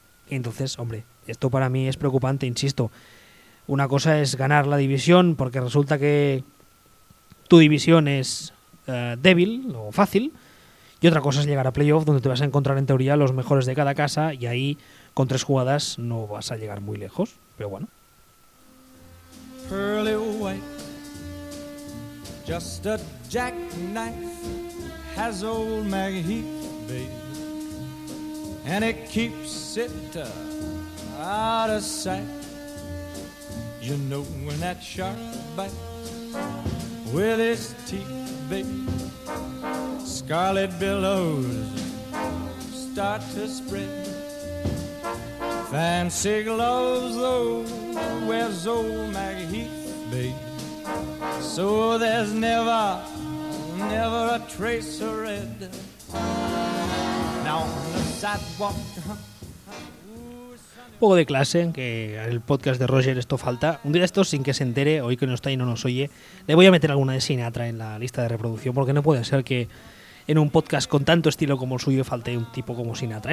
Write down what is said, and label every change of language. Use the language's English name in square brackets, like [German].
[Spanish] Entonces, hombre, esto para mí es preocupante, insisto. Una cosa es ganar la división porque resulta que tu división es débil o fácil, y otra cosa es llegar a playoff, donde te vas a encontrar en teoría los mejores de cada casa, y ahí con tres jugadas no vas a llegar muy lejos, pero bueno. [English] Pearly white, just a jackknife has old Maggie Heath, babe, and it keeps it out of sight. You know when that shark bites with his teeth, babe, scarlet billows start to spread. Fancy gloves, though, wears old Maggie Heath, babe, so there's never, never a trace of red. Now on the sidewalk. [Spanish] Un poco de clase, que el podcast de Roger esto falta. Un día de estos, sin que se entere, hoy que no está y no nos oye, le voy a meter alguna de Sinatra en la lista de reproducción, porque no puede ser que en un podcast con tanto estilo como el suyo falte un tipo como Sinatra.